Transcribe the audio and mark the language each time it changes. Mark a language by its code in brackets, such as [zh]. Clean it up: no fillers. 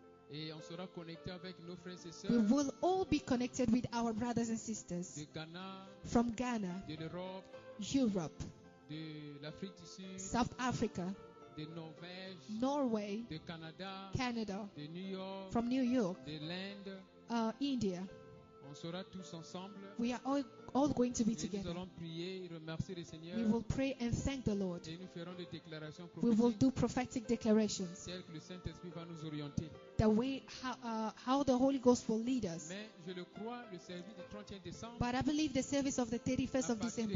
[fr] Et on sera connecté avec nos frères et sœurs. [en] We will all be connected with our brothers and sisters [fr] de Ghana, [en] from Ghana, [fr] de l'Europe, [en] Europe, [fr] de l'Afrique du Sud, [en] South Africa, [fr] de Norvège, [en] Norway, [fr] de Canada, [en] Canada, [fr] de New York, [en] from New York, [fr] de l'Inde, [en] India. [fr] On sera tous ensemble. [en] We are all going to be [fr] et [en] together. [fr] Nous allons prier et remercier le Seigneur. [en] We will pray and thank the Lord. [fr] Et nous ferons des déclarations [en] prophétiques. We will do prophetic declarations. [fr] Telles que le Saint-Esprit va nous orienter. [en] The way how the Holy Ghost will lead us. [fr] Mais je le crois, le service du 31 décembre. [en] But I believe the service of the 31st of December.